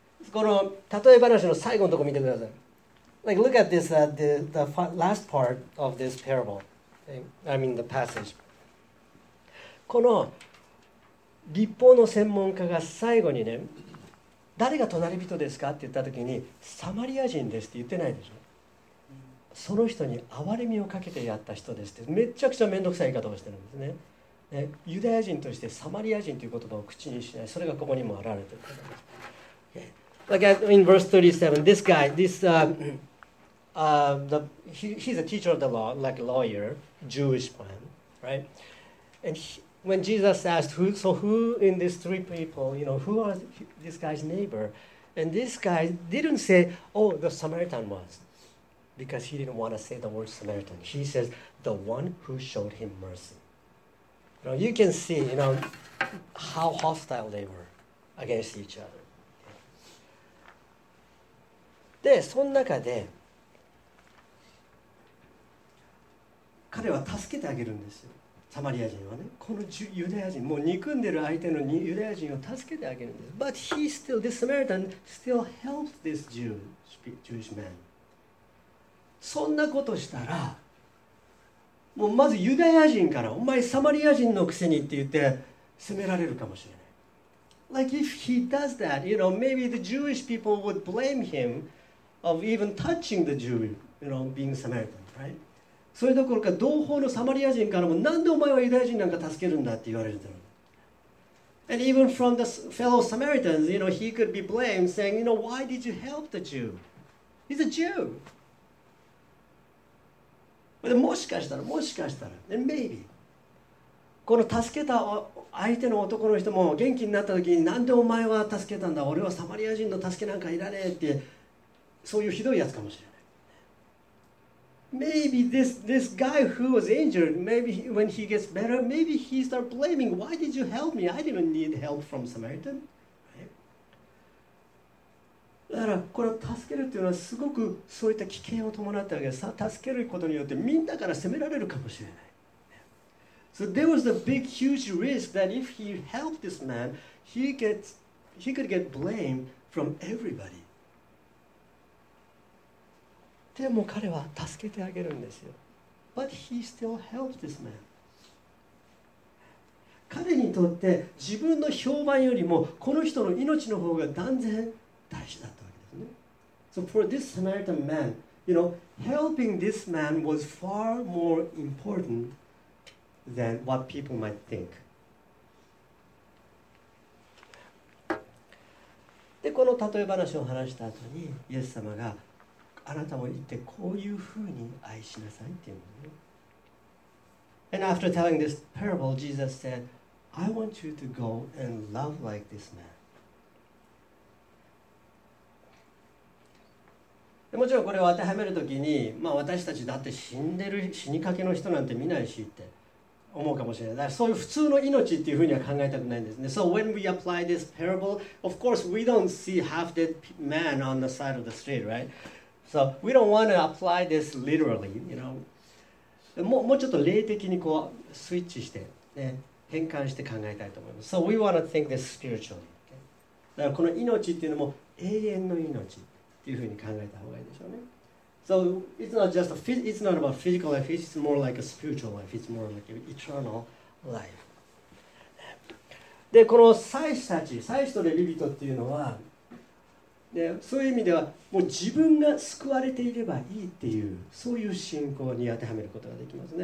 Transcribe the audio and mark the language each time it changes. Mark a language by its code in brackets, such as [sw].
[ja] この例え話の最後のとこ見てください。 [en] Like look at this, the last part of this parable. I mean the passage. [ja] この立法の専門家が最後にね、誰が隣人ですかって言ったときに、サマリア人ですって言ってないでしょ。その人に憐れみをかけてやった人ですってめちゃくちゃ面倒くさい言い方をしてるんですね。ユダヤ人としてサマリア人という言葉を口にしない、それがここにも表れてる。 [en] Like in verse 37, this guy, this, he's a teacher of the law, like a lawyer, Jewish man, right? And he, when Jesus asked, who in these three people, you know, who are this guy's neighbor? And this guy didn't say, oh, the Samaritan was, because he didn't want to say the word Samaritan. He says, the one who showed him mercy. Now you can see, you know, how hostile they were against each other. [ja] で、その中で彼は助けてあげるんですよ。サマリア人はね、このユダヤ人、もう憎んでる相手のユダヤ人を助けてあげるんです。 [en] But he still, this Samaritan still helps this Jewish man. [ja] そんなことしたら、もうまずユダヤ人から、お前サマリア人のくせにって言って責められるかもしれない。 [en] Like if he does that, you know, maybe the Jewish people would blame him. Of even touching the Jew, you know, being Samaritan, right? [ja] それどころか同胞のサマリア人からもなんでお前はユダヤ人なんか助けるんだって言われるんだろう。 [en] And even from the fellow Samaritans, you know, he could be blamed, saying, you know, why did you help the Jew? He's a Jew. But [ja] もしかしたら、もしかしたら、 [en] and maybe, [ja] この助けた相手の男の人も元気になった時に、なんでお前は助けたんだ？俺はサマリア人の助けなんかいらねえって。そういうひどいやつかもしれない。 [en] Maybe this guy who was injured, maybe when he gets better, maybe he starts blaming, why did you help me? I didn't need help from Samaritan.、Right? [ja] だから、これを助けるというのはすごくそういった危険を伴ってあげる。助けることによってみんなから責められるかもしれない。 [en] So there was a big, huge risk that if he helped this man, he could get blamed from everybody. [ja] でも彼は助けてあげるんですよ。 [en] But he still helps this man. [ja] 彼にとって自分の評判よりもこの人の命の方が断然大事だったわけですね。 [en] So for this Samaritan man, you know, helping this man was far more important than what people might think. [ja] で、この例え話を話した後にイエス様があなたも言ってこういうふうに愛しなさいって言うのね。 [en] And after telling this parable, Jesus said, I want you to go and love like this man. [ja] もちろんこれを当てはめるときに、まあ私たちだって死んでる、死にかけの人なんて見ないしって思うかもしれない。だからそういう普通の命っていうふうには考えたくないんですね。 [en] So when we apply this parable, of course we don't see half dead man on the side of the street, right? So we don't want to apply this literally, you know. [ja] もうちょっと霊的にこうスイッチして、ね、変換して考えたいと思います。 [en] So we want to think this spiritually.、Okay? [ja] だからこの命っていうのも永遠の命っていうふうに考えた方がいいでしょうね。 [en] So it's not about physical life, it's more like a spiritual life, it's more like an eternal life. [ja] で、この祭司たち、祭司とレビ人っていうのは、でそういう意味ではもう自分が救われていればいいっていうそういう信仰に当てはめることができますね。